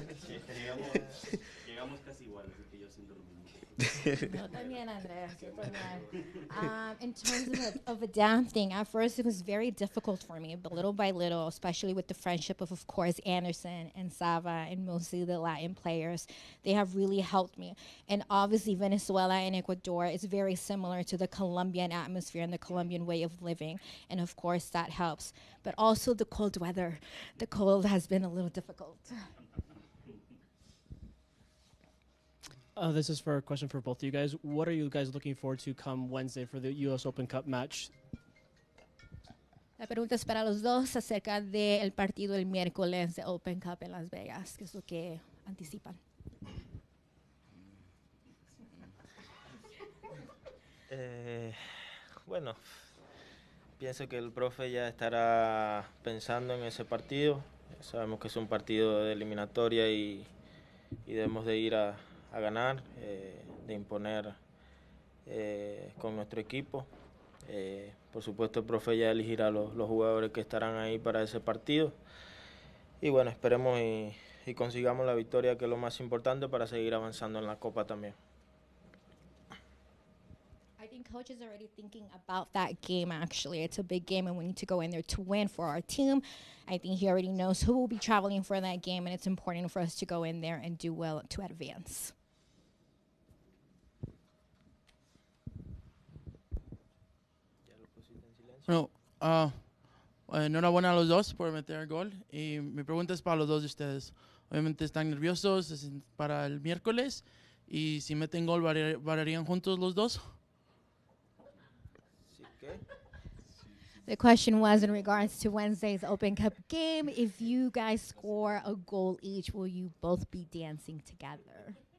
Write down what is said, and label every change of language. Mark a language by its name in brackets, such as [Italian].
[Spanish] llegamos casi igual, así que yo siento lo mismo. No, también, Andrés, yo también. [English] In terms of adapting, at first it was very difficult for me, but little by little, especially with the friendship of course, Anderson and Sava and mostly the Latin players, they have really helped me. And obviously Venezuela and Ecuador is very similar to the Colombian atmosphere and the Colombian way of living. And of course that helps. But also the cold weather. The cold has been a little difficult. This is for a question for both of you guys. What are you guys looking forward to come Wednesday for the U.S. Open Cup match? [Spanish] La pregunta es para los dos acerca del partido el miércoles de Open Cup en Las Vegas. ¿Qué es lo que anticipan? Bueno, pienso que el profe ya estará pensando en ese partido. Sabemos que es un partido de eliminatoria y debemos de ir a ganar, de imponer con nuestro equipo. Por supuesto, el profe ya elegirá los jugadores que estarán ahí para ese partido. Y bueno, esperemos y consigamos la victoria, que es lo más importante para seguir avanzando en la Copa también. [English] I think coach is already thinking about that game, actually. It's a big game, and we need to go in there to win for our team. I think he already knows who will be traveling for that game, and it's important for us to go in there and do well to advance. [Spanish] Bueno, enhorabuena a los dos por meter el gol. Y mi pregunta es para los dos de ustedes. Obviamente están nerviosos para el miércoles. Y si meten gol, ¿variarían juntos los dos? [English] The question was in regards to Wednesday's Open Cup game. If you guys score a goal each, will you both be dancing together?